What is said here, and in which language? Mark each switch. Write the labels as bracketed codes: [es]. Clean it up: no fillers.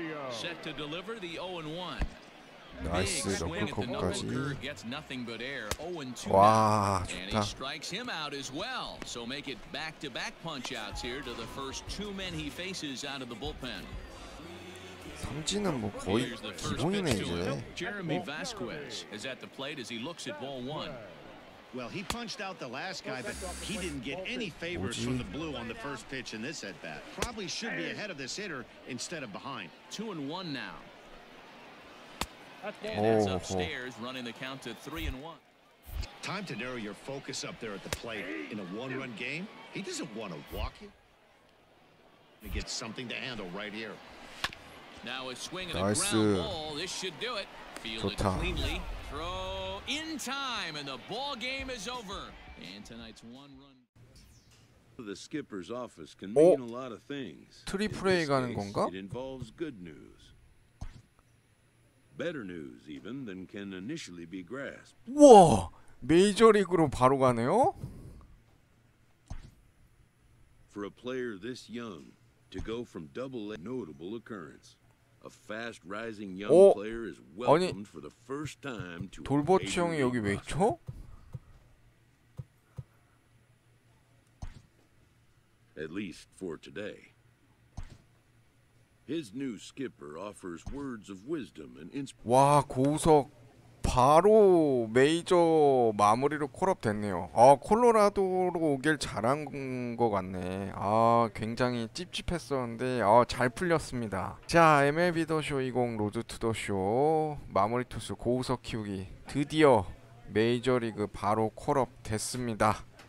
[en] Set to deliver the 0-1. Nice. Big swing at the knuckle. Gets nothing but air. 0-2. Wow. And he strikes him out as well. So make it back-to-back punch outs here to the first two men he faces out of the bullpen. [ko] 삼진은 뭐 거의 기본이네 이제. [en] Jeremy Vasquez is at the plate as he looks at ball one. Well, he punched out the last guy, but he didn't get any favors from the blue on the first pitch in this at bat. Probably should be ahead of this hitter instead of behind. 2-1 now. And that's upstairs, running the count to 3-1. Time to narrow your focus up there at the plate. In a one-run game, he doesn't want to walk you. He gets something to handle right here. Now a swing and a ground ball. This should do it. Field it cleanly. Throw in time, and the ball game is over. And tonight's one-run. The skipper's office can mean a lot of things. [ko] 트리플 A 가는 건가? [en] It involves good news. Better news even than can initially be grasped. [ko] 우와, 메이저리그로 바로 가네요? [en] For a player this young to go from double A notable occurrence, a fast rising young player is welcomed for the first time to. [ko] 돌보치 형이 여기 왜 있죠? 있죠? [en] At least for today. His new skipper offers words of wisdom and inspiration. [ko] 와, 고우석 바로 메이저 마무리로 콜업 됐네요. 아, 콜로라도로 오길 잘한 거 같네. 아, 굉장히 찝찝했었는데 아, 잘 풀렸습니다. 자, MLB 더 쇼 20 로드 투 더 쇼 마무리 투수 고우석 키우기 드디어 메이저리그 바로 콜업 됐습니다.